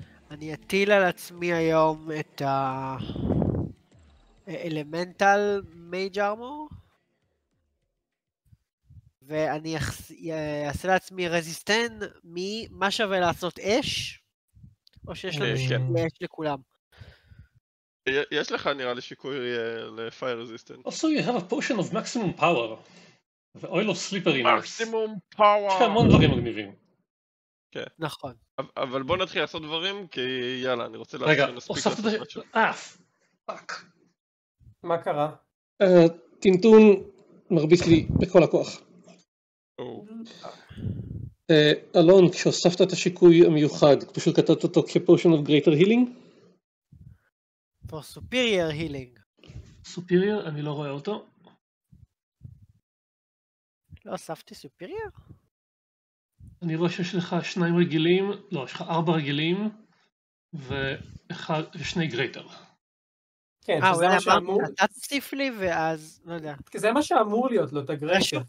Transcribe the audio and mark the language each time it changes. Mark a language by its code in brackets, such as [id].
[he] אני אטיל על עצמי היום את האלמנטל מייג' ארמור ואני אעשה לעצמי רזיסטן ממה שווה לעשות אש או שיש לנו שיקוי אש לכולם יש לך נראה לי שיקוי לפייר רזיסטן [en] also you have a potion of maximum power [he] ואוילוב סליפרינס. מקסימום פאוור. יש כאן המון דברים מגניבים. כן. נכון. אבל בוא נתחיל לעשות דברים, כי יאללה, אני רוצה להגיד שנספיק לעשות משהו. רגע, הוספת את זה... מה קרה? טינטון מרביץ לי בכל הכוח. אלון, כשהוספת את השיקוי המיוחד, פשוט קטעת אותו כ-Potion of Greater Healing? או Superior Healing. Superior? אני לא רואה אותו. לא הוספתי Superior? אני רואה שיש לך שניים רגילים, לא, יש לך ארבע רגילים ואחד, ושני גרייטר. כן, שזה מה שאמור... אתה תוסיף לי ואז, לא יודע. זה מה שאמור להיות לו, את הגרייטר.